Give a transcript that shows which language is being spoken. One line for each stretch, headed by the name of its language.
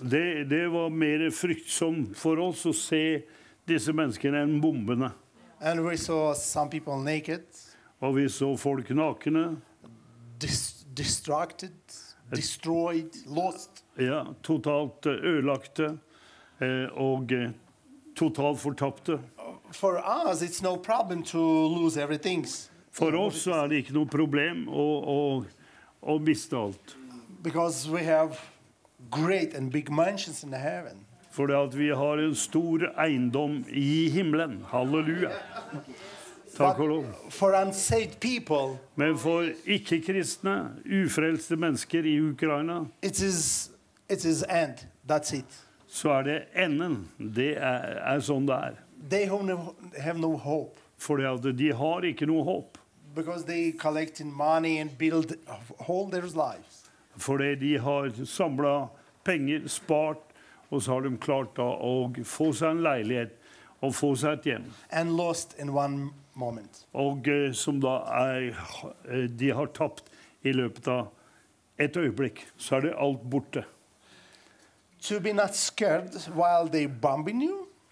Norwegian: Det var mer fryktsom for oss å se disse menneskene enn bombene.
English: And we saw some people naked.
Norwegian: Og vi så folk nakne.
English: Distracted. destroyed, lost.
Norwegian: Ja, totalt ødelagte og totalt fortapte.
English: For us, it's no problem to lose everything.
Norwegian: For oss er det ikke noe problem å miste alt.
English: Because we have great and big mansions in the heaven.
Norwegian: Fordi at vi har en stor eiendom i himmelen. Halleluja. Takk og lov.
English: For unsaved people.
Norwegian: Men for ikke-kristne, ufrelste mennesker i Ukraina.
English: It is end. That's it.
Norwegian: Så er det enden. Det er sånn det er.
English: They have no hope.
Norwegian: Fordi at de har ikke noe håp.
English: Because they collect money and build all their lives.
Norwegian: Fordi de har samlet penger, spart, og så har de klart å få seg en leilighet og få seg et hjem.
English: And lost in one moment.
Norwegian: Og som da de har tapt i løpet av et øyeblikk, så er det alt borte.
English: To be not scared while they bombing you.